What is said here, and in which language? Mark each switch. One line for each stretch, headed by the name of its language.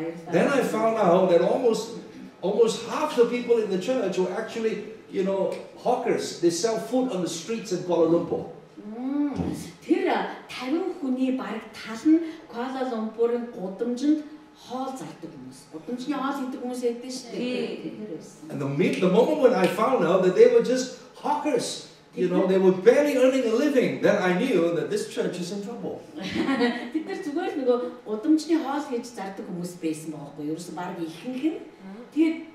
English: Then I found out that almost half the people in the church were actually, you know, hawkers. They sell food on the streets in Kuala Lumpur.
Mongolian: Тэр 50 хүний баг тал нь Куала Лумпурын гудамжинд хоол зардаг хүмүүс. Гудамжны хоол идэх хүмүүс байдаг шээ. Тийм.
English: And the moment when I found out that they were just hawkers, you know, they were barely earning a living, then I knew that this church is in trouble.
Mongolian: Бид нар зүгээр нөгөө гудамжны хоол хийж зардаг хүмүүс байсан байхгүй юу? Ерөөсөөр баг ихэнх нь тэгээд